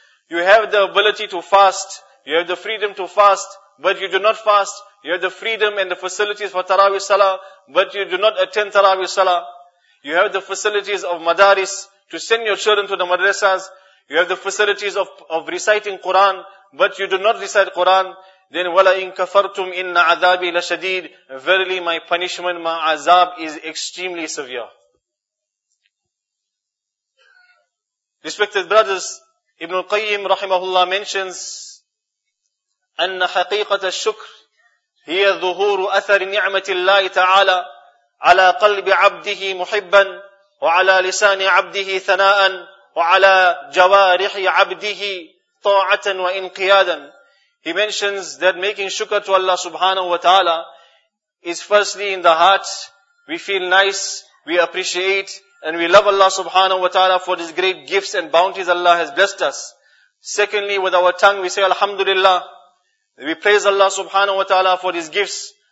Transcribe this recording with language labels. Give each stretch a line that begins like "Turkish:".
English: You have the ability to fast, you have the freedom to fast, but you do not fast. You have the freedom and the facilities for Tarawih Salah, but you do not attend Tarawih Salah. You have the facilities of madaris to send your children to the madrasas. You have the facilities of reciting Quran, but you do not recite Quran. Then,
Arabic: وَلَا إِن كَفَرْتُمْ إِنَّ عَذَابِي لَشَدِيدٍ.
English: Verily, my punishment, my azab is extremely severe. Respected brothers, Ibn al-Qayyim rahimahullah mentions,
Arabic: أَنَّ حَقِيقَةَ الشُّكْرِ هِيَ ظُهُورُ أَثَرِ نِعْمَةِ اللَّهِ تَعَالَى عَلَى قَلْبِ عَبْدِهِ مُحِبًّا وَعَلَى لِسَانِ عَبْدِهِ ثَنَاءً وَعَلَى جَوَارِحِ عَبْدِهِ طَاعَةً وَإِنْقِيَادًا.
English: He mentions that making shukr to Allah subhanahu wa ta'ala is firstly in the heart. We feel nice, we appreciate, and we love Allah subhanahu wa ta'ala for these great gifts and bounties Allah has blessed us. Secondly, with our tongue we say alhamdulillah. We praise Allah subhanahu wa ta'ala for His gifts.